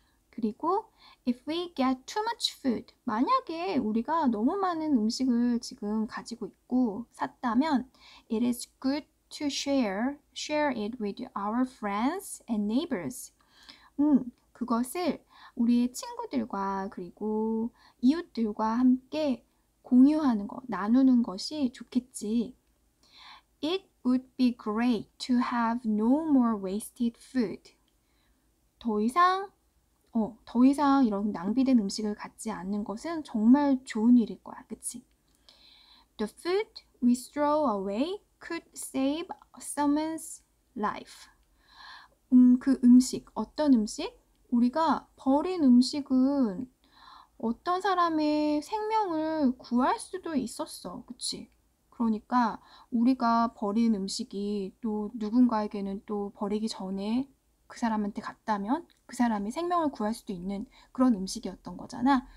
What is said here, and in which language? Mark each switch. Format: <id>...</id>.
<en>그리고 if we get too much food,</en> <ko>만약에 우리가 너무 많은 음식을 지금 가지고 있고 샀다면</ko> <en>it is good to share it with our friends and neighbors.</en> <ko>그것을 우리의 친구들과 그리고 이웃들과 함께 공유하는 거, 나누는 것이 좋겠지.</ko> <en>It would be great to have no more wasted food.</en> <ko>더 이상 이런 낭비된 음식을 갖지 않는 것은 정말 좋은 일일 거야, 그치?</ko> <en>The food we throw away could save someone's life.</en> <ko>그 음식, 어떤 음식? 우리가 버린 음식은 어떤 사람의 생명을 구할 수도 있었어, 그치? 그러니까 우리가 버린 음식이 또 누군가에게는 또 버리기 전에 그 사람한테 갔다면 그 사람이 생명을 구할 수도 있는 그런 음식이었던 거잖아.</ko>